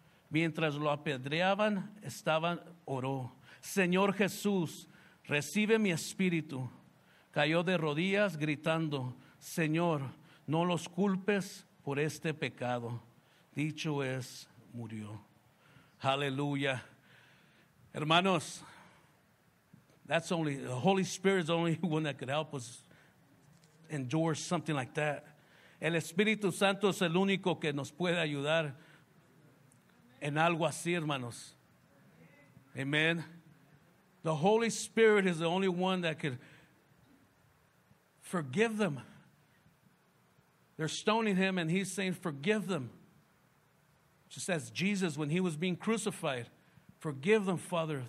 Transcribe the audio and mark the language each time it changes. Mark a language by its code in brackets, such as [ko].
[es] Mientras lo apedreaban, oró, Señor Jesús, recibe mi espíritu. Cayó de rodillas gritando, Señor, no los culpes por este pecado. Dicho es, murió. Aleluya. [en] Hermanos, that's only, the Holy Spirit is the only one that could help us endure something like that. [es] El Espíritu Santo es el único que nos puede ayudar en algo así, hermanos. Amen. [en] The Holy Spirit is the only one that could forgive them. They're stoning him and he's saying, forgive them. Just as Jesus, when he was being crucified, forgive them, Father.